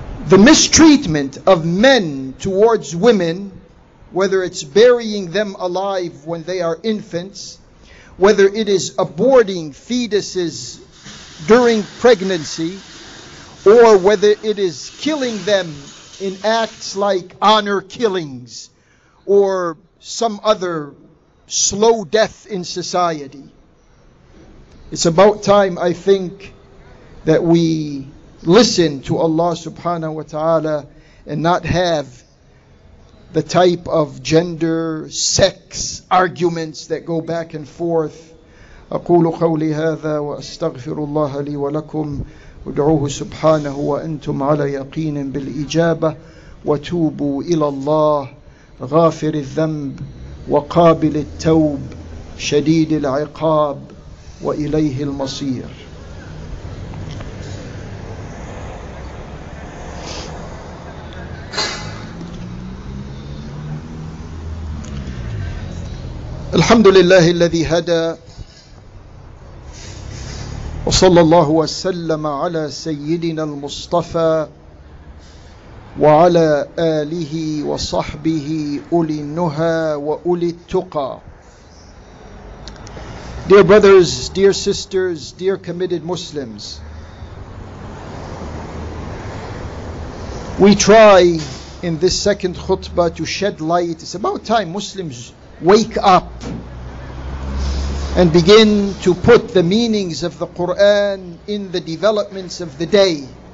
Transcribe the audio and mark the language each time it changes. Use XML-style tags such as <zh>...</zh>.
<en>The mistreatment of men towards women, whether it's burying them alive when they are infants, whether it is aborting fetuses during pregnancy, or whether it is killing them in acts like honor killings or some other slow death in society. It's about time, I think, that we listen to Allah subhanahu wa ta'ala and not have the type of gender, sex arguments that go back and forth.</en> <ar>أقول قولي هذا وأستغفر الله لي ولكم ودعوه سبحانه وأنتم على يقين بالإجابة وتوبوا إلى الله غافر الذنب وقابل التوب شديد العقاب وإليه المصير. الحمد لله الذي هدى وصلى الله وسلم على سيدنا المصطفى وعلى آله وصحبه أولي النهى وأولي التقى.</ar> <en>Dear brothers, dear sisters, dear committed Muslims, we try in this second khutbah to shed light. It's about time Muslims wake up and begin to put the meanings of the Qur'an in the developments of the day.</en>